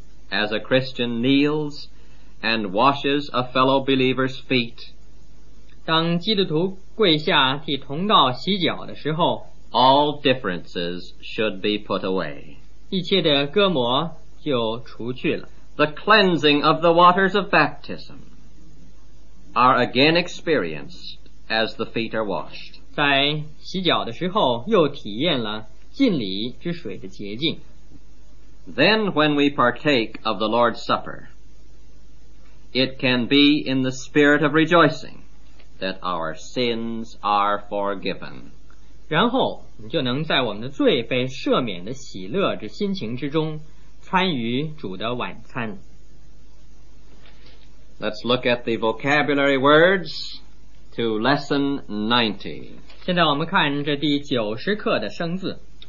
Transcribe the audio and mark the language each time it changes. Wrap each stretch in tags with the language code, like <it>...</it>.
<en>As a Christian kneels and washes a fellow believer's feet,</en> <zh>当基督徒跪下替同道洗脚的时候，</zh> <en>All differences should be put away,</en> <zh>一切的隔膜就除去了。</zh> <en>The cleansing of the waters of baptism are again experienced as the feet are washed.</en> <zh>在洗脚的时候又体验了浸礼之水的洁净。</zh> <en>Then when we partake of the Lord's Supper, it can be in the spirit of rejoicing that our sins are forgiven.</en> <zh>然后你就能在我们的罪被赦免的喜乐之心情之中参与主的晚餐。</zh> <en>Let's look at the vocabulary words to lesson 90.</en> <zh>现在我们看这第九十课的生字。</zh>